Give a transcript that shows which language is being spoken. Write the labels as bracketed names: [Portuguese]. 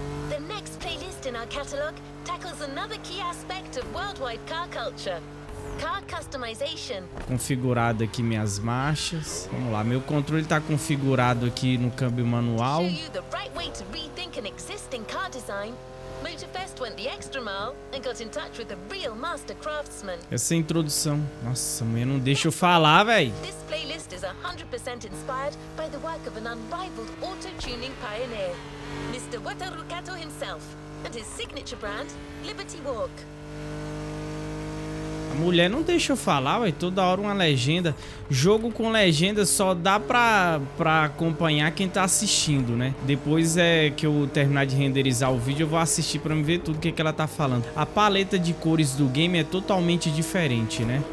[English] The next playlist in our catalog tackles another key aspect of worldwide car culture. Car customization. [Portuguese] Configurado aqui minhas marchas. Vamos lá, meu controle tá configurado aqui no câmbio manual. [English] The right way to rethink an existing car design. Motorfest went the extra mile and got in touch with a real master craftsman. [Portuguese] Essa introdução. Nossa, mãe, não deixa eu falar, véi. [English] This playlist is 100% inspired by the work of an unrivaled auto-tuning pioneer, Mr. Wataru Kato himself, and his signature brand, Liberty Walk. [Portuguese] Mulher, não deixa eu falar, ué, toda hora uma legenda. Jogo com legenda só dá pra acompanhar quem tá assistindo, né? Depois é que eu terminar de renderizar o vídeo, eu vou assistir pra me ver tudo que ela tá falando. A paleta de cores do game é totalmente diferente, né?